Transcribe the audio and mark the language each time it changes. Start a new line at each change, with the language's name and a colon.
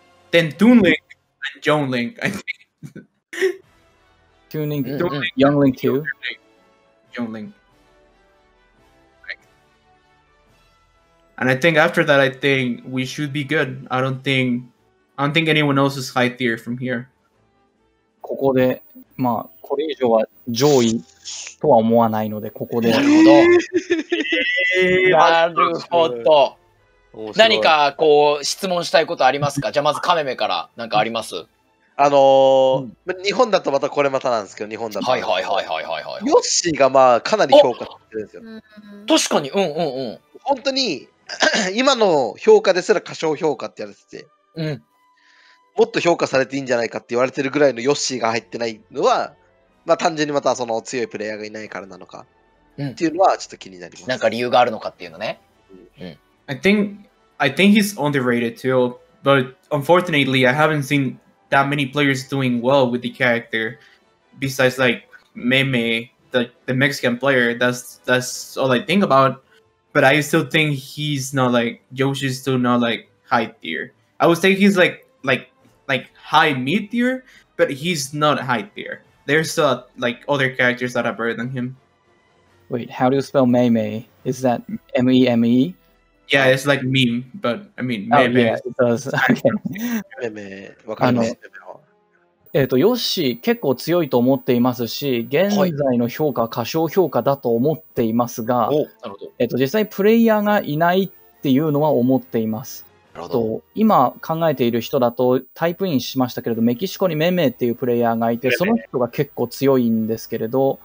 English: Then Toon Link and Joan Link, I think. Toon Link. Young Link too. Joan Link. And I think after that, I think we should be good. I don't think anyone else is high tier from here.
Japanese: ここで、まあ、これ以上は上位とは思わないので、ここで。なるほど。なるほど。何かこう質問したいことありますか？じゃあまずカメメから何かあります？日本だとまたこれまたなんですけど、日本だと。はいはいはいはいはい、はい。ヨッシーがまあかなり評価してるんですよ。確かに、うんうんうん。本当に今の評価ですら過小評価ってやつで。うん。もっと評価されていいんじゃないかって言われてるぐらいのヨッシーが入ってないのは、まあ単純にまたその強いプレイヤーがいないからなのかっていうのはちょっと気になります。うん、なんか理由があるのかっていうのね。
English: I think he's underrated too, but unfortunately I haven't seen that many players doing well with the character besides like Meme, the Mexican player. That's all I think about. But I still think he's not like Yoshi's still not like high tier. I would say he's like high mid tier, but he's not high tier. There's still like other characters that are better than him. Wait, how do you spell Mei Mei? Is that M-E-M-E? Yeah, it's like meme, but I mean, Mei Mei. Yeah, it does.
Japanese: Mei Mei, わかります。ヨッシー結構強いと思っていますし、現在の評価は過小評価だと思っていますが、はい、実際プレイヤーがいないっていうのは思っています。と今考えている人だとタイプインしましたけれど、メキシコにメメっていうプレイヤーがいて、その人が結構強いんですけれど、